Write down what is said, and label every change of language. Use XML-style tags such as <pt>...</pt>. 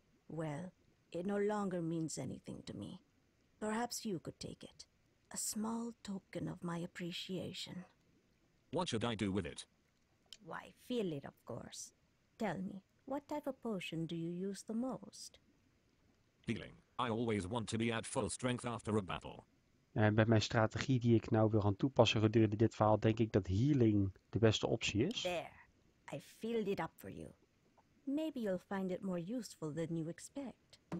<en>Well, it no longer means anything to me. Perhaps you could take it. A small token of my appreciation. What should I do with it? Why, feel it, of course. Tell me. What type of potion do you use the most? Healing. I always want to be at full strength after a battle.</en> <nl>En met mijn strategie die ik nou wil gaan toepassen gedurende dit verhaal, denk ik dat healing de beste optie is.</nl> <en>There. I filled it up for you. Maybe you'll find it more useful than you expect.</en>